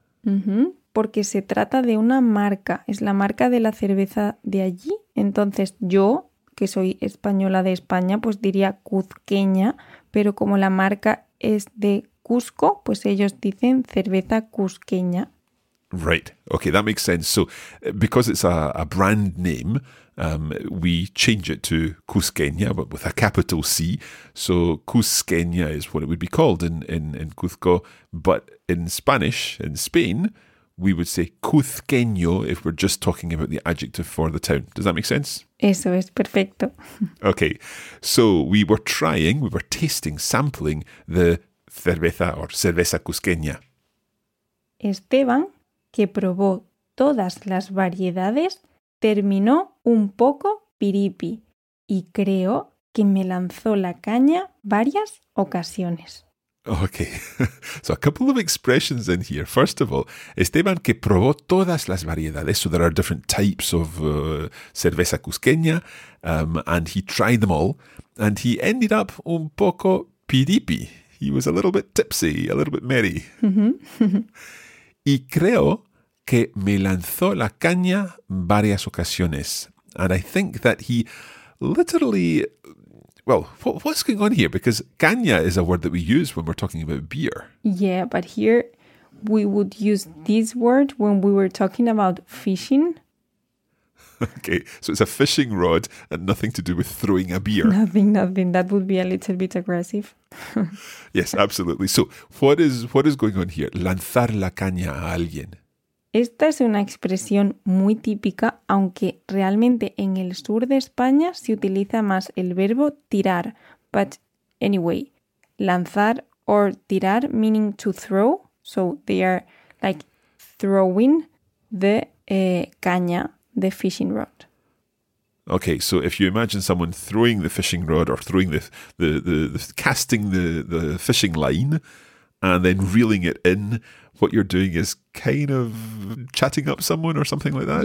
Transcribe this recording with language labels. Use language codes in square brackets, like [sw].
[es] Mm-hmm. Porque se trata de una marca. Es la marca de la cerveza de allí. Entonces yo, que soy española de España, pues diría Cuzqueña. Pero como la marca es de Cusco, pues ellos dicen cerveza Cusqueña. [en] Right. Okay, that makes sense. So because it's a brand name, we change it to Cusqueña, but with a capital C. So Cusqueña is what it would be called in Cuzco. But in Spanish, in Spain, we would say Cuzqueño if we're just talking about the adjective for the town. Does that make sense? [es] Eso es perfecto. [en] Okay. So we were tasting, sampling the cerveza or cerveza Cusqueña. [es] Esteban, que probó todas las variedades, terminó un poco piripi y creo que me lanzó la caña varias ocasiones. [en] Okay, so a couple of expressions in here. First of all, Esteban, [es] que probó todas las variedades, [en] so there are different types of cerveza cusqueña, and he tried them all, and he ended up [es] un poco piripi. [en] He was a little bit tipsy, a little bit merry. [es] Y creo que me lanzó la caña varias ocasiones. [en] And I think that he literally, well, what's going on here? Because caña is a word that we use when we're talking about beer. Yeah, but here we would use this word when we were talking about fishing. Okay, so it's a fishing rod and nothing to do with throwing a beer. Nothing. That would be a little bit aggressive. Yes, absolutely. So what is going on here? [es] Lanzar la caña a alguien. Esta es una expresión muy típica, aunque realmente en el sur de España se utiliza más el verbo tirar. [en] But anyway, lanzar or tirar meaning to throw. So they are like throwing the caña, the fishing rod. Okay, so if you imagine someone throwing the fishing rod or throwing the casting the fishing line and then reeling it in, what you're doing is kind of chatting up someone or something like that?